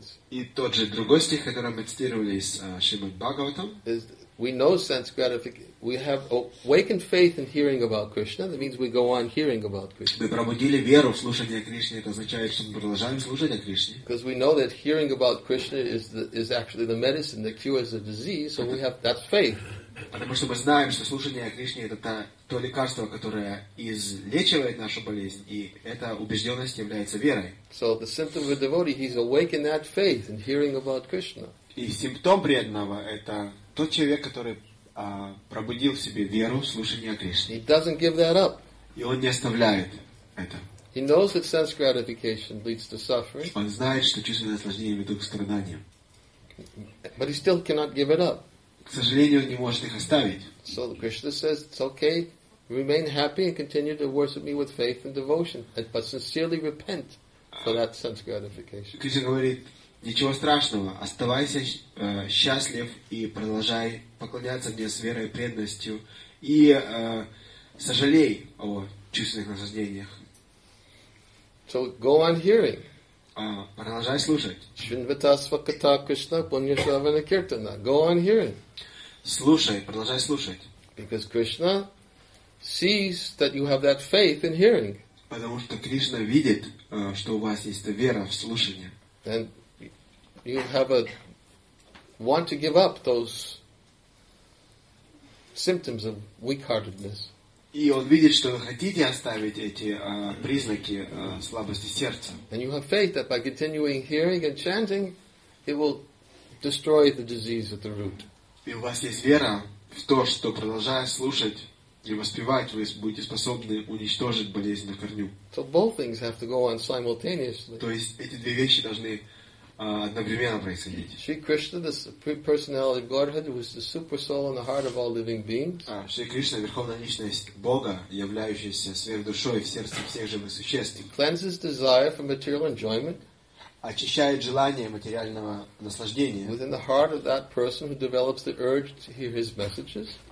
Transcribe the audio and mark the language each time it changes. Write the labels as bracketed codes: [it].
[ru] И тот же другой стих, который мы цитировали из Шримад Бхагаватам. [en] We know sense gratification. We have awakened faith in hearing about Krishna. That means we go on hearing about Krishna. [ru] Мы пробудили веру в слушание Кришны. Это означает, что мы продолжаем слушать о Кришне. [en] Because we know that hearing about Krishna is actually the medicine that cures the disease. So we have that faith. [ru] Потому что мы знаем, что слушание о Кришне это то лекарство, которое излечивает нашу болезнь, и эта убежденность является верой. [en] So the symptom of a devotee, he's awakened that faith in hearing about Krishna. [ru] И симптом преданного это тот человек, который пробудил в себе веру в слушание о Кришне. [en] He doesn't give that up. [ru] И он не оставляет это. [en] He knows that sense gratification leads to suffering. [ru] Он знает, что чувственное наслаждение ведет к страданиям. [en] But he still cannot give it up. [ru] К сожалению, он не может их оставить. [en] So Krishna says, it's okay, remain happy and continue to worship me with faith and devotion, but sincerely repent for that sense gratification. [ru] Кришна говорит, ничего страшного, оставайся счастлив и продолжай поклоняться мне с верой и преданностью и сожалей о чувственных наслаждениях. [en] So go on hearing. [ru] Продолжай слушать. [sa] Шринватасвакатта Кришна Пуньяшравана Киртана. [en] Go on hearing. [ru] Слушай, продолжай слушать. [en] Because Krishna sees that you have that faith in hearing. [ru] Потому что Кришна видит, что у вас есть вера в слушание. [en] And you have a want to give up those symptoms of weak-heartedness. [ru] И он видит, что вы хотите оставить эти признаки слабости сердца. [en] And you have faith that by continuing hearing and chanting, it will destroy the disease at the root. [ru] И у вас есть вера в то, что продолжая слушать и воспевать, вы будете способны уничтожить болезнь на корню. [en] So both things have to go on simultaneously. [ru] То есть эти две вещи должны одновременно происходить. [en] Shri Krishna, the Supreme Personality of Godhead, who is the super soul in the heart of all living beings. [ru] Shri Krishna, верховная личность Бога, являющаяся сверхдушой в сердце всех живых существ. [en] Cleanses desire for material enjoyment. [ru] Очищает желание материального наслаждения. [en] Within the heart of that person who develops the urge to hear his messages.